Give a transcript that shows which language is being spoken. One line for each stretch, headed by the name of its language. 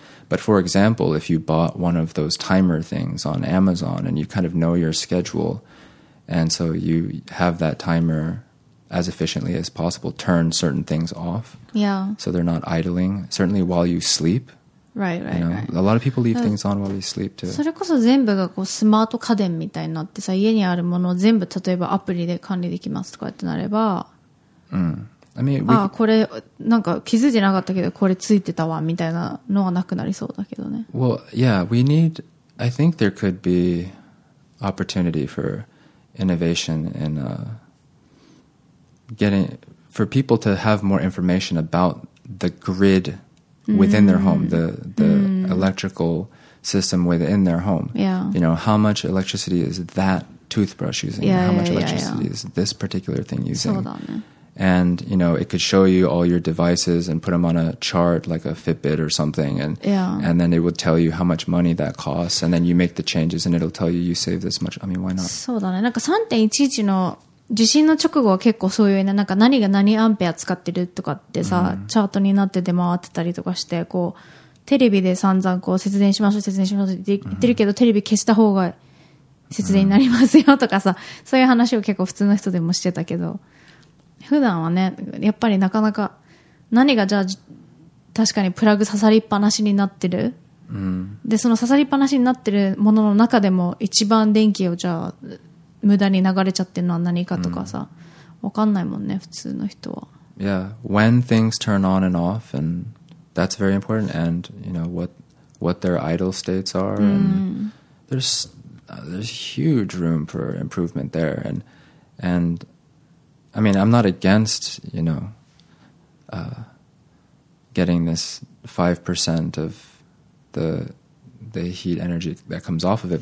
English: But for example, if you bought one of those timer things on Amazon and you kind of know your schedule, and so you have that timer as efficiently as possible, turn certain things off. Yeah. So they're not idling, certainly while you sleep. Right, you know, right. A lot of people leave things on while they sleep too.
Japanese: それこそ全部がこうスマート家電みたいになってさ、家にあるものを全部例えばアプリで管理できますとかってなれば、
English: うん。I mean,
Japanese: ああこれなんか気づいてなかったけどこれついてたわみたいなのはなくなりそうだけどね。
English: Well, yeah, we need. I think there could be opportunity for innovation in getting for people to have more information about the grid within their home, the electrical system within their home. Yeah. You know, how much electricity is that toothbrush using? Yeah, how much electricity is this particular thing using? And, you know, it could show you all your devices and put them on a chart like a Fitbit or something. And, and then it would tell you how much money that costs. And then you make the changes and it'll tell you you save this much. I mean, why not?
Japanese: そうだね。なんか 3.11 の地震の直後は結構そういうね、なんか何が何アンペア使ってるとかってさ、mm-hmm. チャートになって出回ってたりとかして、こう、テレビで散々こう節電しましょう、節電しましょうって言ってるけど、mm-hmm. テレビ消した方が節電になりますよとかさ、そういう話を結構普通の人でもしてたけど、普段はねやっぱりなかなか何がじゃあ確かにプラグ刺さりっぱなしになってる、うん、でその刺さりっぱなしになってるものの中でも一番電気をじゃあ無駄に流れちゃってるのは何かとかさ、うん、わかんないもんね普通の人は。
English: Yeah, when things turn on and off and that's very important and you know what their idle states are、
Japanese: うん、
English: and there's huge room for improvement there and I mean, I'm not against, you know, getting this 5% of the heat energy that comes off of it.